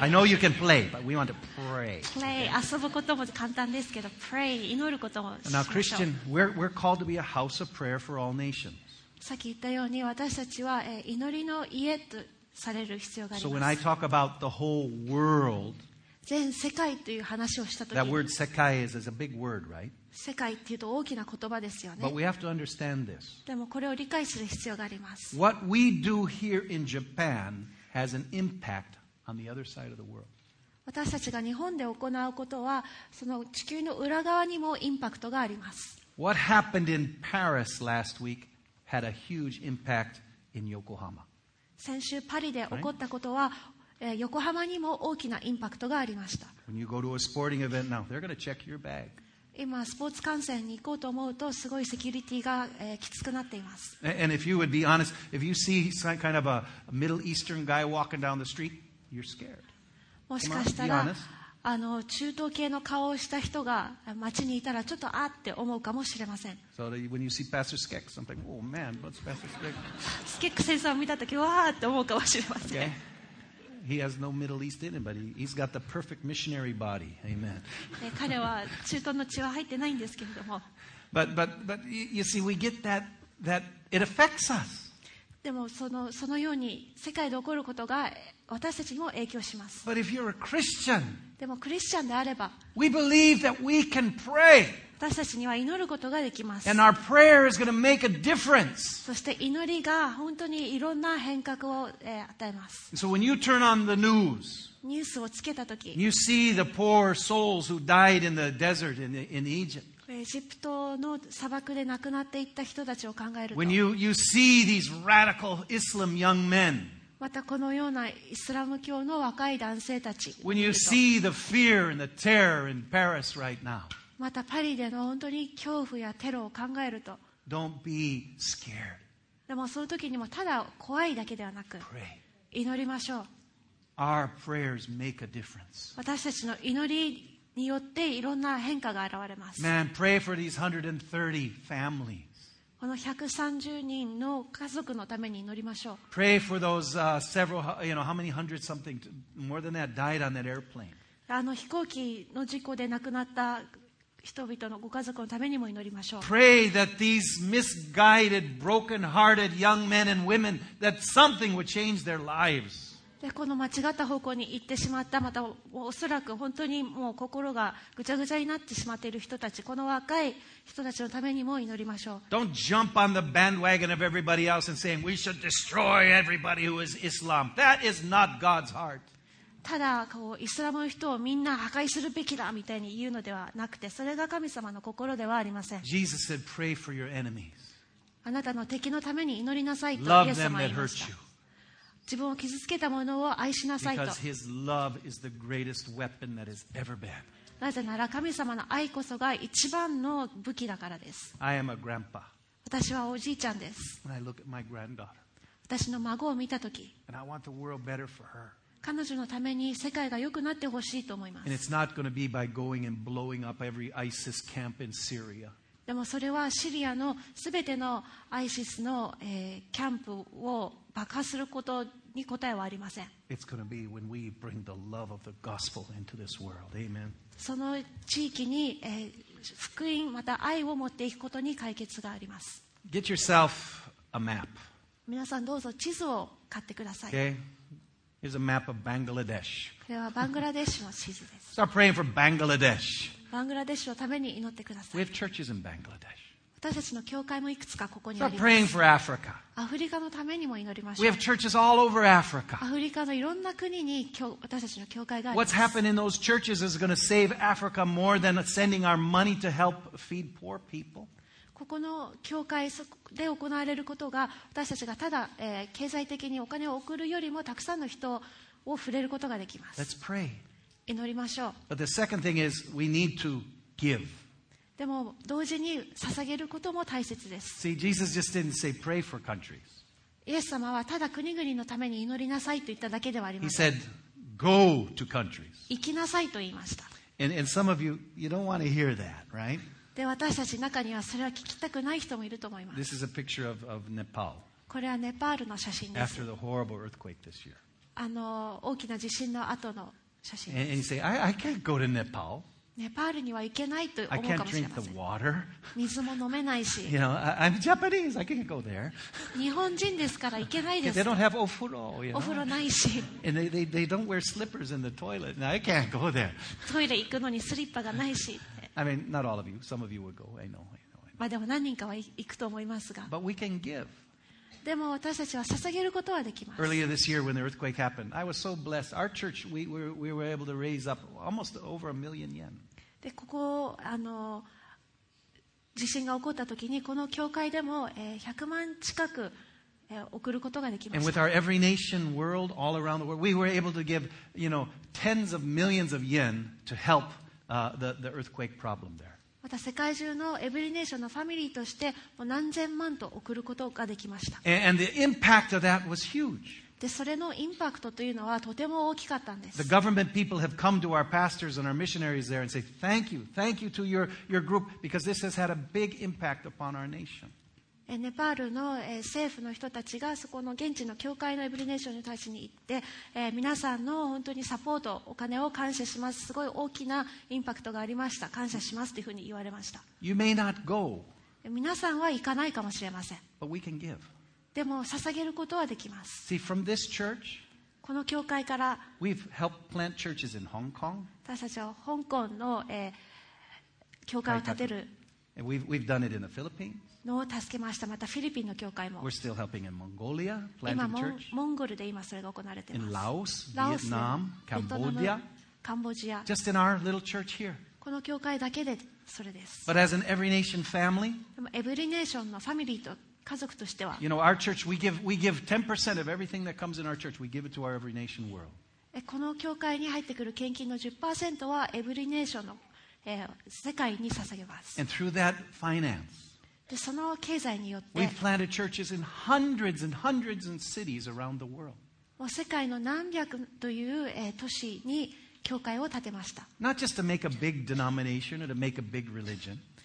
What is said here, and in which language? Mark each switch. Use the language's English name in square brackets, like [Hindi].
[English] I know you can play, but we want to pray. Play. Okay? [Japanese] 遊ぶことも簡単ですけど、pray. 祈ることもしましょう。 [English] Now Christian, we're called to be a house of prayer for all nations. [Japanese] さっき言ったように、私たちは、祈りの家とされる必要があります。 [English] So when I talk about the whole world, [Japanese] 全世界という話をしたとき、 [English] that word 世界 is a big word, right? [Japanese] 世界っていうと大きな言葉ですよね。 [English] But we have to understand this. [Japanese] でもこれを理解する必要があります。 [English] What we do here in Japan has an impact on the other side of the world. [Japanese] 私たちが日本で行うことは、その地球の裏側にもインパクトがあります。 [English] What happened in Paris last week? Had a huge impact in Yokohama. [Japanese] 先週パリで起こったことは、right? 横浜にも大きなインパクトがありました。 [English] When you go to a sporting event now, they're going to check your bag. [Japanese] 今スポーツ観戦に行こうと思うとすごいセキュリティが、きつくなっています。 [English] And if you would be honest, if you see some kind of a Middle Eastern guy walking down the street, you're scared. [Japanese] もしかしたら、あの中東系の顔をした人が街にいたらちょっとあって思うかもしれません。 [English] So when you see Pastor Skek, something, oh man, what's Pastor Skek? [Japanese] Skek 先生を見たときわーって思うかもしれません。 [English] Okay. He has no Middle East in him, but he's got the perfect missionary body. Amen. [Japanese] 彼は中東の血は入ってないんですけれども。 [English] But you see, we get that it affects us. [Japanese] でもそのように世界で起こることが私たちにも影響します。 [English] But if you're a Christian, [Japanese] でもクリスチャンであれば、 [English] we believe that we can pray. [Japanese] 私たちには祈ることができます。 [English] And our prayer is going to make a difference. [Japanese] そして祈りが本当にいろんな変革を、与えます。 [English] So when you turn on the news, [Japanese] ニュースをつけたとき、 [English] you see the poor souls who died in the desert in Egypt. [Japanese] エジプトの砂漠で亡くなっていった人たちを考えると、 [English] when you see these radical Islam young men. [Japanese] またこのようなイスラム教の若い男性たち。 [English] When you see the fear and the terror in Paris right now. [Japanese] またパリでの本当に恐怖やテロを考えると。 [English] Don't be scared. [Japanese] でもその時にもただ怖いだけではなく、 [English] pray. [Japanese] 祈りましょう。 [English] Our prayers make a difference. [Japanese] 私たちの祈りによっていろんな変化が現れます。 [English] Man, pray for these 130 families. [Japanese] この130人の家族のために祈りましょう。 [English] Pray for those several, you know, how many hundred something, more than that, died on that airplane. [Japanese] あの飛行機の事故で亡くなった人々のご家族のためにも祈りましょう。 [English] Pray that these misguided, broken-hearted young men and women, that something would change their lives. [Japanese] で、この間違った方向に行ってしまった、またおそらく本当にもう心がぐちゃぐちゃになってしまっている人たち、この若い人たちのためにも祈りましょう。 [English] Don't jump on the bandwagon of everybody else and saying we should destroy everybody who is Islam. That is not God's heart. [Japanese] ただこうイスラムの人をみんな破壊するべきだみたいに言うのではなくて、それが神様の心ではありません。 [English] Jesus said, "Pray for your enemies." [Japanese] あなたの敵のために祈りなさいとイエス様は言いました。自分を傷つけた者を愛しなさいと。 [English] Because His love is the greatest weapon that has ever been. [Japanese] なぜなら神様の愛こそが一番の武器だからです。 [English] I am a grandpa. [Japanese] 私はおじいちゃんです。 [English] When I look at my granddaughter. [Japanese] 私の孫を見たとき、 [English] And I want the world better for her. [Japanese] 彼女のために世界が良くなってほしいと思います。 [English] And it's not going to be by going and blowing up every ISIS camp in Syria. [Japanese] でもそれはシリアのすべての ISIS の、キャンプを爆破することに答えはありません。 [English] It's going to be when we bring the love of the gospel into this world. Amen. [Japanese] その地域に、福音また愛を持っていくことに解決があります。 [English] Get yourself a map. [Japanese] 皆さんどうぞ地図を買ってください。 [English] Okay. Here's a map of Bangladesh. [Japanese] これはバングラデシュの地図です。 [English] Start praying for Bangladesh. [Japanese] バングラデシュのために祈ってください。 [English] We have churches in Bangladesh. [Japanese] 私たちの教会もいくつかここにあります。 [English] Start praying for Africa. [Japanese] アフリカのためにも祈りましょう。 [English] We have churches all over Africa. [Japanese] アフリカのいろんな国に私たちの教会があります。 [English] What's happened in those churches is going to save Africa more than sending our money to help feed poor people. [Japanese] ここの教会で行われることが私たちがただ、経済的にお金を送るよりもたくさんの人を触れることができます。 [English] Let's pray. [Japanese] 祈りましょう。 [English] But the second thing is we need to give. [Japanese] でも同時に捧げることも大切です。 [English] See, Jesus just didn't say, pray for countries. [Japanese] イエス様はただ国々のために祈りなさいと言っただけではありません。 [English] He said, go to countries. [Japanese] 行きなさいと言いました。 [English] And some of you don't want to hear that, right? [Japanese] で私たち中にはそれは聞きたくない人もいると思います。 [English] This is a picture of Nepal. [Japanese] これはネパールの写真です。 [English] After the horrible earthquake this year. [Japanese] 大きな地震の後の写真です。 [English] And you say, I can't go to Nepal. [Japanese] ネパールには行けないと思うかもしれません。 [English] I can't drink the water. [Japanese] 水も飲めないし。 [English] You know, I'm Japanese. I can't go there. [Japanese] 日本人ですから行けないです。 [English] They don't have お風呂, you know? [Japanese] お風呂ないし。 [English] And they don't wear slippers in the toilet. Now, I can't go there. [Japanese] トイレ行くのにスリッパがないし。 [English] I mean, not all of you. Some of you would go. I know. [Japanese] まあ、でも何人かは行くと思いますが。 [English] But we can give. [Japanese] でも私たちは捧げることはできます。 [English] Earlier this year when the earthquake happened, I was so blessed. Our church, we were able to raise up almost over a million yen. [Japanese] で、ここ、地震が起こった時に、この教会でも、100万近く、送ることができました。 [English] And with our every nation world all around the world, we were able to give, you know, tens of millions of yen to help, the earthquake problem there. [Japanese] また世界中のエブリネーションのファミリーとして何千万と送ることができました。 [English] And the impact of that was huge. [Japanese] で、それのインパクトというのはとても大きかったんです。 [English] The government people have come to our pastors and our missionaries there and say, thank you to your group because this has had a big impact upon our nation. [Japanese] ネパールの政府の人たちがそこの現地の教会のエブリネーションに対しに行って、皆さんの本当にサポート、お金を感謝します。すごい大きなインパクトがありました。感謝しますというふうに言われました。 [English] You may not go. [Japanese] 皆さんは行かないかもしれません。 [English] But we can give. [Japanese] でも捧げることはできます。 [English] See, from this church, [Japanese] この教会から、 [English] we've helped plant churches in Hong Kong. [Japanese] 私たちは香港の、教会を建てる。 [English] We've done it in the Philippines. [Japanese] のを助けました。またフィリピンの教会も。 [English] We're still helping in Mongolia, planting church. [Japanese] 今モンゴルで今それが行われています。 [English] In Laos, Vietnam, Cambodia. [Japanese] カンボジア。 [English] Just in our little church here. [Japanese] この教会だけでそれです。 [English] But as an every nation family, [Japanese] every nation のファミリーと家族としては、 [English] you know, our church, we give 10% of everything that comes in our church, we give it to our every nation world. [Japanese] この教会に入ってくる献金の 10% はエブリネーションの、世界に捧げます。 [English] And through that finance. [Japanese] でその経済によって、 [English] We've planted churches in hundreds and hundreds of cities around the world. [Japanese] もう世界の何百という、都市に教会を建てました。 [English] Not just to make a big denomination or to make a big religion.